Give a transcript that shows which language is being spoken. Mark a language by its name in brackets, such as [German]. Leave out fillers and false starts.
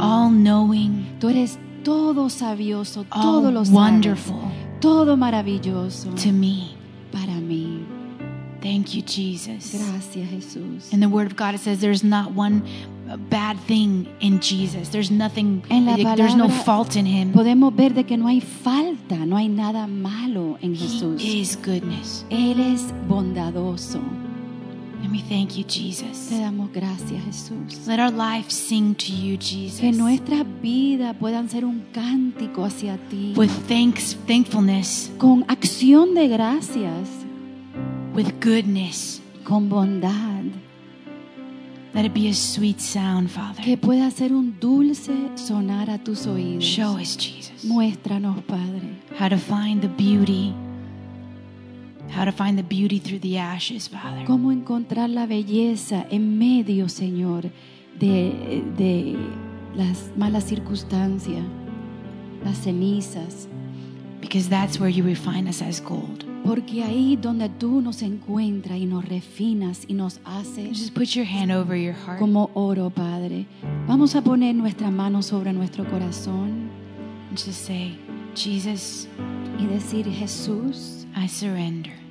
[English] All knowing. [Spanish] Tú eres todo sabioso. Todo lo sabes. Wonderful. Todo maravilloso. [English] To me. [Spanish] Para mí. [English] Thank you, Jesus. [Spanish] Gracias, Jesús. [English] In the Word of God, it says there's not one bad thing in Jesus. There's nothing. [Spanish] En la palabra, [English] there's no fault in Him. [Spanish] Podemos ver de que no hay falta, no hay nada malo en Jesús. [English] He is goodness. [Spanish] Él es bondadoso. [English] And we thank you, Jesus. [Spanish] Te damos gracias, Jesús. [English] Let our life sing to you, Jesus. [Spanish] Que nuestras vidas puedan ser un cántico hacia ti. [English] With thankfulness. [Spanish] Con acción de gracias. [English] With goodness. [Spanish] Con bondad. [English] Let it be a sweet sound, Father. [Spanish] Que pueda ser un dulce sonar a tus oídos. [English] Show us, Jesus. [Spanish] Muéstranos, Padre. [English] How to find the beauty. How to find the beauty through the ashes, Father. [Spanish] Cómo encontrar la belleza en medio, Señor, de las malas circunstancias, las cenizas. [English] Because that's where you refine us as gold. [Spanish] Porque ahí donde tú nos encuentras y nos refinas y nos haces. [English] Just put your hand over your heart. [Spanish] Como oro, Padre. Vamos a poner nuestra mano sobre nuestro corazón. [English] And just say, Jesus. [Spanish] Y decir, Jesús. [English] I surrender.